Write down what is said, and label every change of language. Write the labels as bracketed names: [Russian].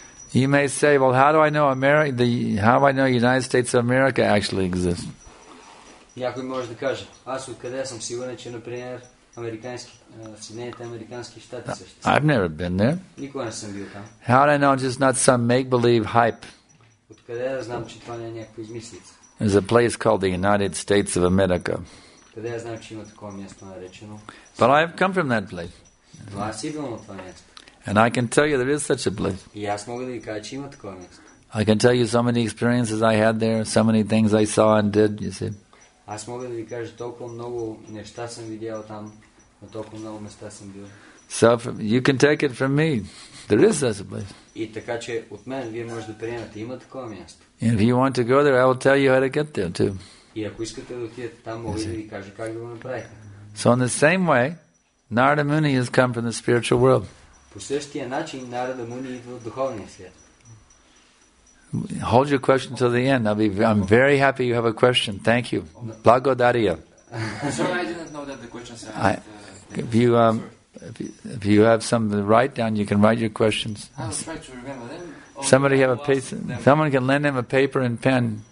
[English] You may say, well, how do I know America? How do I know United States of America actually exists? [Bulgarian] Някой може да каже, аз откъде съм сигурен, че, например, Съединените американски щати съществуват. [English] I've never been there. [Bulgarian] Никога не съм бил там. [English] How do I know it's not some make-believe hype? [Bulgarian] Откъде да знам, че това не е някаква измислица? [English] There's a place called the United States of America. [Bulgarian] Къде я знам, че има такова място наречено? [English] But I've come from that place. [Bulgarian] Но аз идвам от това място. [English] And I can tell you there is such a place. [Bulgarian] И аз мога да ви кажа, че има такова място. [English] I can tell you so many experiences I had there, so many things I saw and did, you see. [Bulgarian] Аз мога да ви кажа, толкова много неща съм видял там, на толкова много места съм бил. [English] So you can take it from me. There is such a place. [Bulgarian] И така че от мен вие може да приемете, има такова място. [English] And if you want to go there, I will tell you how to get there too. [Bulgarian] И ако искате да отидете там, мога да ви кажа как да го направите. [English] So in the same way, Narada Muni has come from the spiritual world. [Bulgarian] По същия начин Нарада Муни идва от духовния свят. [English] Hold your question till the end. I'm very happy you have a question. Thank you. [Bulgarian] Благодаря. [English] So I didn't know that the questions are if you have something to write down, you can write your questions. I'll try to remember them. Somebody have a piece, someone can lend him a paper and pen.